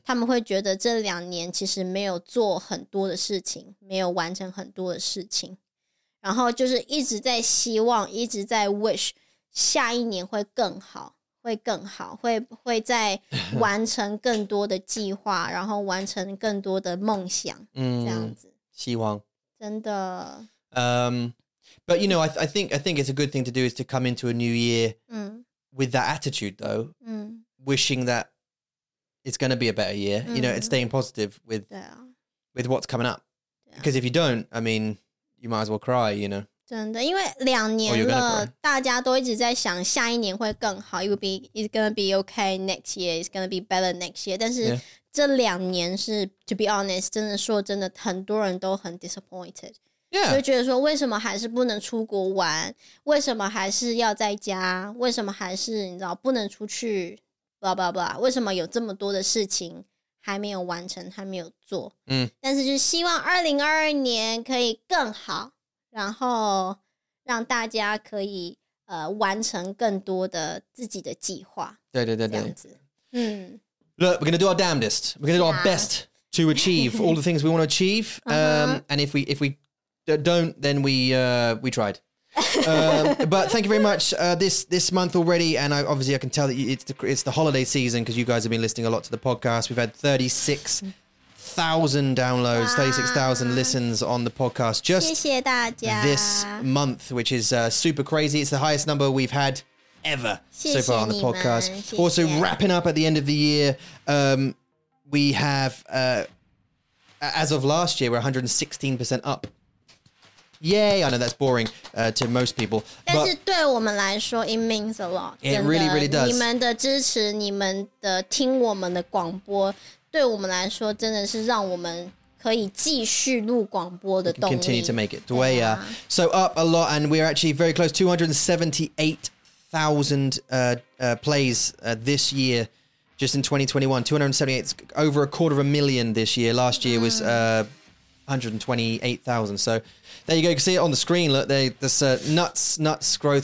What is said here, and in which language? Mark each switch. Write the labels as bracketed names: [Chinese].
[Chinese] 他们会觉得这两年其实没有做很多的事情，没有完成很多的事情，然后就是一直在希望，一直在 wish 下一年会更好。会更好，会再完成更多的计划，然后完成更多的梦想，嗯，这样子。希望真的。 [English] But you know, I think it's a good thing to do is to come into a new year, with that attitude though, wishing that it's going to be a better year. You know, and staying positive with what's coming up. Because if you don't, I mean, you might as well cry. You know. [Chinese] 真的，因为两年了，大家都一直在想下一年会更好。 [English] It's gonna be okay next year. It's gonna be better next year. [Chinese] 但是这两年是 ， [English] to be honest， [Chinese] 真的说真的，很多人都很 disappointed， 就觉得说为什么还是不能出国玩？为什么还是要在家？为什么还是你知道不能出去 ？blah blah blah， 为什么有这么多的事情还没有完成，还没有做？嗯，但是就希望2022年可以更好。然后让大家可以完成更多的自己的计划。对对对对。嗯。 [English] Look, we're going to do our damnedest. We're going to do our best to achieve all the things we want to achieve. And if we don't, then we tried. But thank you very much this month already. And obviously I can tell that it's the holiday season because you guys have been listening a lot to the podcast. We've had 36,000 downloads, 36,000 listens on the podcast just this month, which is super crazy. It's the highest number we've had ever so far on the podcast. Also, wrapping up at the end of the year, we have, as of last year, we're 116% up. Yay! I know that's boring to most people. But [Chinese] 但是对我们来说, [English] it means a lot. It really, really does. [Chinese] 你们的支持,你们的听我们的广播,对我们来说真的是让我们可以继续录广播的动力。 [English] Continue to make it. [Chinese] 对啊。 [English] So up a lot, and we're actually very close, 278,000 plays this year, just in 2021. 278, over a quarter of a million this year. Last year was 128,000. So there you go. You can see it on the screen. Look, there's nuts growth.